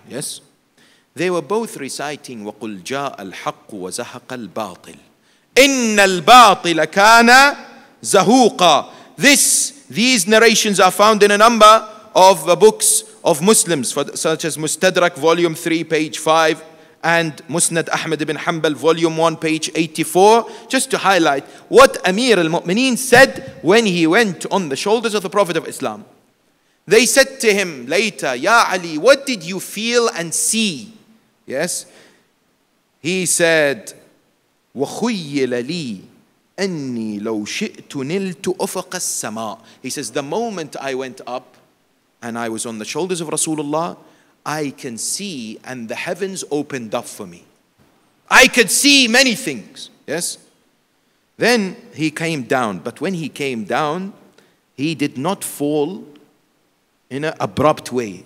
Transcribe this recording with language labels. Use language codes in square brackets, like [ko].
[en] Yes, they were both reciting, [ar] وَقُلْ جَاءَ الْحَقُّ وَزَهَقَ الْبَاطِلِ إِنَّ الْبَاطِلَ كَانَ زَهُوقًا. [en] These narrations are found in a number of books of Muslims, such as Mustadrak, volume 3, page 5, and Musnad Ahmad ibn Hanbal, volume 1, page 84. Just to highlight what Amir al-Mu'mineen said when he went on the shoulders of the Prophet of Islam. They said to him later, Ya Ali, what did you feel and see? Yes? He said, [ar] وَخُيِّلَ لِي أَنِّي لَوْ شِئْتُ نِلْتُ أُفَقَ السَّمَاءِ. [en] He says, the moment I went up and I was on the shoulders of Rasulullah, I can see and the heavens opened up for me. I could see many things. Yes? Then he came down. But when he came down, he did not fall in an abrupt way.